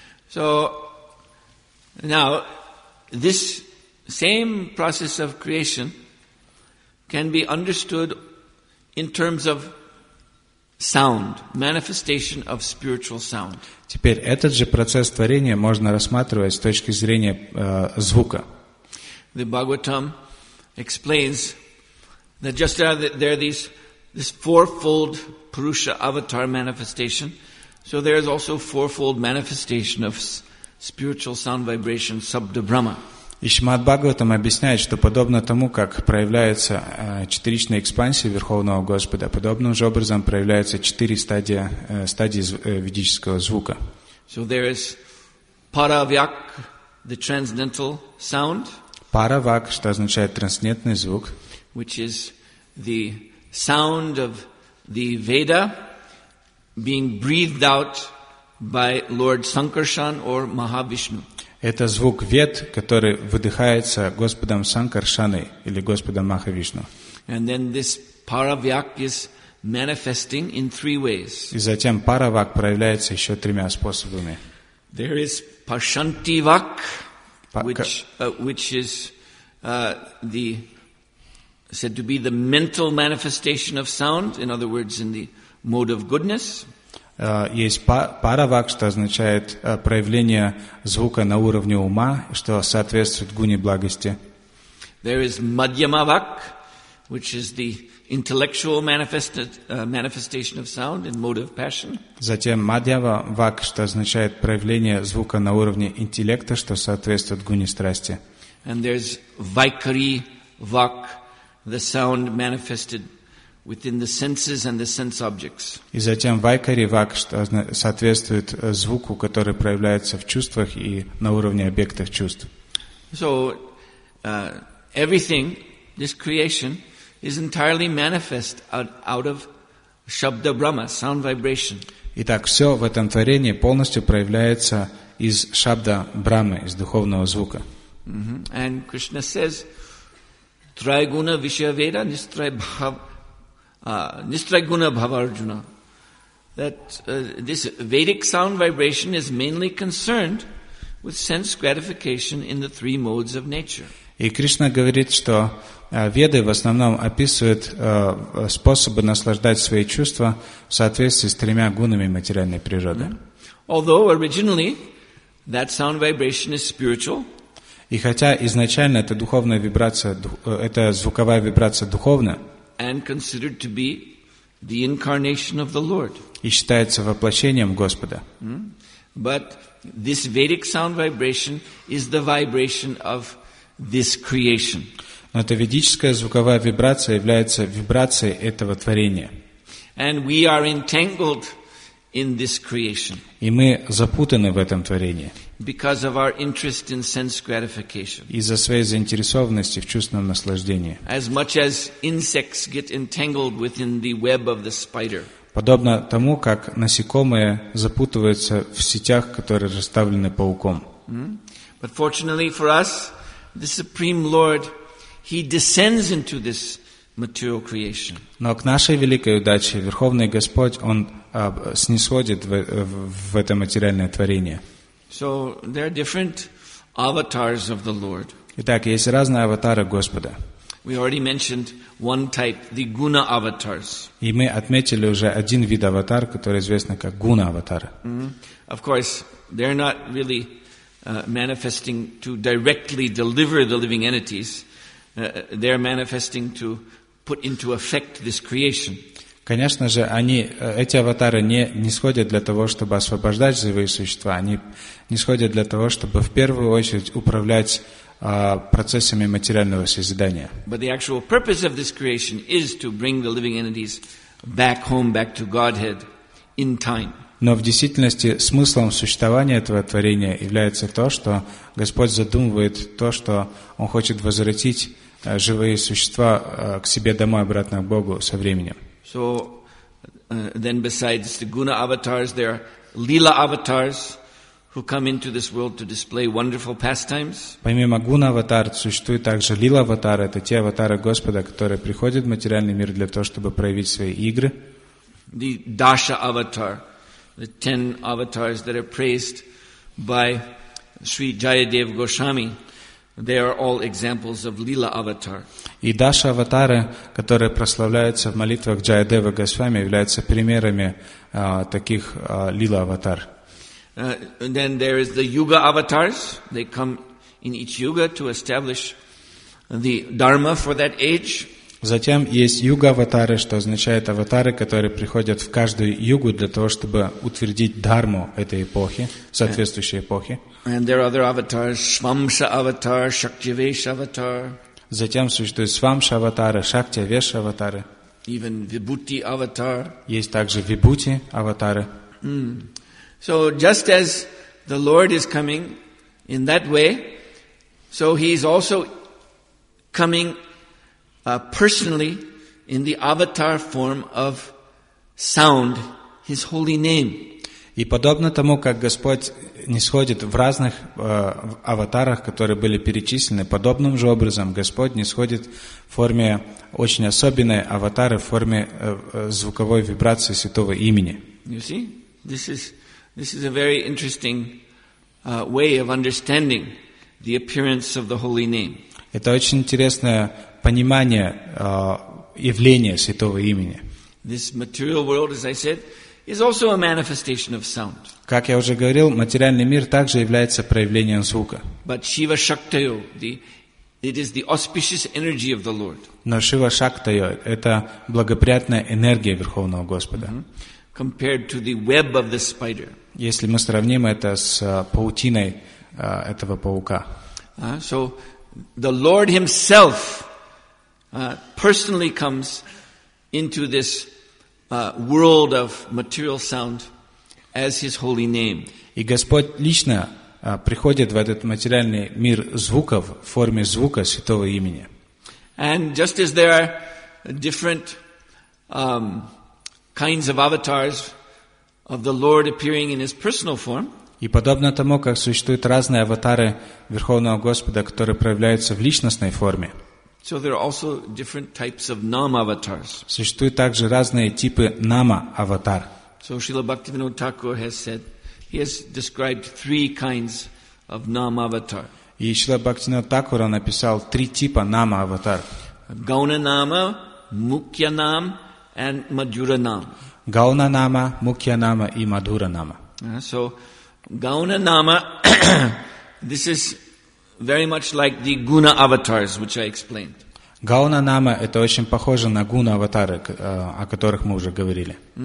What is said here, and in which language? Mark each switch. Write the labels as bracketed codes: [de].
[en] So now this same process of creation can be understood in terms of sound, manifestation of spiritual sound. [ru] Теперь этот же процесс творения можно рассматривать с точки зрения звука. [en] The Bhagavatam explains that just now there are these this fourfold Purusha avatar manifestation, so there is also fourfold manifestation of spiritual sound vibration, Sabda Brahma. [ru] И Шримад Бхагаватам объясняет, что подобно тому, как проявляется четыричная экспансия Верховного Господа, подобным же образом проявляются четыре стадии ведического звука. [en] So there is paravyak, the transcendental sound. [ru] Paravyak, что означает трансцендентный звук. [en] Which is the sound of the Veda being breathed out by Lord Sankarshan or Mahavishnu. [ru] Это звук вед, который выдыхается Господом Санкаршаной или Господом Махавишну. [en] And then this paravyak is manifesting in three ways. [ru] И затем паравак проявляется еще тремя способами. [en] There is pashantivak, which is the said to be the mental manifestation of sound, in other words, in the mode of goodness. [ru] Есть паравак, что означает проявление звука на уровне ума, что соответствует гуне благости. [en] There is madhyamavak, which is the intellectual manifestation of sound in mode of passion. [ru] Затем мадьявавак, что означает проявление звука на уровне интеллекта, что соответствует гуне страсти. [en] And there's vaikari vak, the sound manifested within the senses and the sense objects. [ru] И затем вайкари вак, что соответствует звуку, который проявляется в чувствах и на уровне объектов чувств. [en] So everything, this creation, is entirely manifest out of Shabda Brahma, sound vibration. [ru] Итак, все в этом творении полностью проявляется из Шабда Брамы, из духовного звука. [en] Mm-hmm. And Krishna says, [sa] Трайгуна Вишаведа Нистрайгуна Бхаварджуна. [en] That this Vedic sound vibration is mainly concerned with sense gratification in the three modes of nature. [ru] И Кришна говорит, что Веды в основном описывают способы наслаждать свои чувства в соответствии с тремя гунами материальной природы. [en] Although originally that sound vibration is spiritual, [ru] и хотя изначально это духовная вибрация, это звуковая вибрация духовная, [en] and considered to be the incarnation of the Lord, [ru] и считается воплощением Господа. [en] But this Vedic sound vibration is the vibration of this creation. [ru] Но эта ведическая звуковая вибрация является вибрацией этого творения. [en] And we are entangled in this creation. [ru] И мы запутаны в этом творении. [en] Because of our interest in sense gratification. [ru] Из-за своей заинтересованности в чувственном наслаждении. [en] As much as insects get entangled within the web of the spider. [ru] Подобно тому, как насекомые запутываются в сетях, которые расставлены пауком. [en] But fortunately for us, the Supreme Lord, He descends into this material creation. [ru] Но к нашей великой удаче Верховный Господь, Он снисходит в это материальное творение. [en] So there are different avatars of the Lord. [ru] Итак, есть разные аватары Господа. [en] We already mentioned one type, the guna avatars. [ru] И мы отметили уже один вид аватар, который известен как гуна аватар. [en] Of course, they're not really manifesting to directly deliver the living entities. They're manifesting to put into effect this creation. [ru] Конечно же, эти аватары не сходят для того, чтобы освобождать живые существа. Они не сходят для того, чтобы в первую очередь управлять процессами материального созидания. [en] But the actual purpose of this creation is to bring the living entities back home, back to Godhead in time. [ru] Но в действительности смыслом существования этого творения является то, что Господь задумывает то, что Он хочет возвратить живые существа к себе домой, обратно к Богу со временем. [en] So, then besides the guna avatars, there are lila avatars who come into this world to display wonderful pastimes. [ru] Помимо гуна аватар, существует также лила аватар. Это те аватары Господа, которые приходят в материальный мир для того, чтобы проявить свои игры. [en] The dasha avatar, the 10 avatars that are praised by Sri Jayadev Goswami. They are all examples of lila avatar. [ru] И даша аватары, которые прославляются в молитвах Джаядева Госвами, являются примерами таких лила аватар. [en] Then there is the yuga avatars. They come in each yuga to establish the dharma for that age. [ru] Затем есть юга аватары, что означает аватары, которые приходят в каждую югу для того, чтобы утвердить дхарму этой эпохи, соответствующей эпохи. [en] And there are other avatars, Svamsha avatar, Shaktivesha avatar. [ru] Затем существуют Свамша аватары, Шактивеша аватары. [en] Even Vibhuti avatar. [ru] Есть также Vibhuti аватары. [en] So just as the Lord is coming in that way, so He is also coming personally in the avatar form of sound, His holy name. [ru] И подобно тому, как Господь нисходит в разных аватарах, которые были перечислены, подобным же образом Господь нисходит в форме очень особенной аватары, в форме звуковой вибрации Святого Имени. [en] You see, this is a very interesting way of understanding the appearance of the Holy Name. [ru] Это очень интересное понимание явления Святого Имени. [en] This material world, as I said, is also a manifestation of sound. [ru] Как я уже говорил, материальный мир также является проявлением звука. [en] But Shiva Shaktayo, it is the auspicious energy of the Lord. [ru] Но Шива Шактайо — это благоприятная энергия Верховного Господа. [en] Compared to the web of the spider. [ru] Если мы сравним это с паутиной этого паука. [en] So the Lord Himself personally comes into this world of material sound as his holy name. [ru] И Господь лично приходит в этот материальный мир звуков в форме звука Святого имени. [en] And just as there are different kinds of avatars of the Lord appearing in his personal form, [ru] и подобно тому, как существуют разные аватары Верховного Господа, которые проявляются в личностной форме, [en] so there are also different types of nama-avatars. [ru] Существуют также разные типы нама-аватар. [en] So Srila Bhaktivinoda Thakur has said, he has described three kinds of nama-avatar. [ru] И Шрила Бхактивинода Такур написал три типа нама-аватар. [en] Гауна-нама, Мукья-нам and Мадхура-нам. [ru] Гауна-нама, Мукья-нама и Мадхура-нама. [en] So Gauna-nama, this is very much like the guna avatars, which I explained. [ru] Gauna-nama – это очень похоже на guna avatars, о которых мы уже говорили.